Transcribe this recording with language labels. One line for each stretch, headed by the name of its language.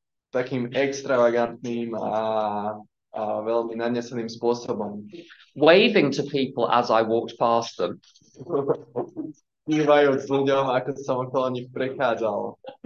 Slovak: Takým extravagantným a veľmi nanesaným spôsobom.
English: Waving to people as I walked past them.
Slovak: Kývajúc ľuďom, ako som okolo nich prechádzal.